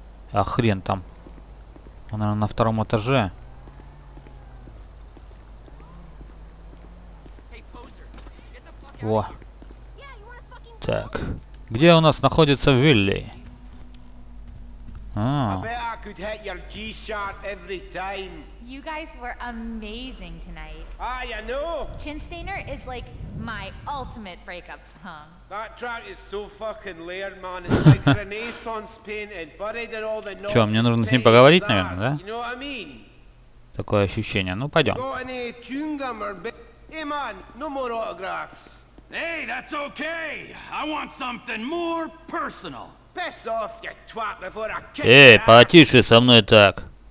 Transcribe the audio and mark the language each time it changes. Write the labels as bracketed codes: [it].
[ru] А хрен там. Он, наверное, на втором этаже. Во. Так. Где у нас находится Вилли? [en] You guys were amazing tonight. Ah, you know. Chinstainer is like my ultimate breakup song. That track is so fucking layered, man. It's like Renaissance painting, buried in all the noise. [ru] Чё, мне нужно с ним поговорить, наверное, да? [en] You know what I mean? [ru] Такое ощущение. Ну, пойдем. [en] Got any chewing gum or bit? Hey, man, no more autographs. Hey, that's okay. I want something more personal. Piss off, you twat, before I kick [ru] your ass. Эй, потише со мной так.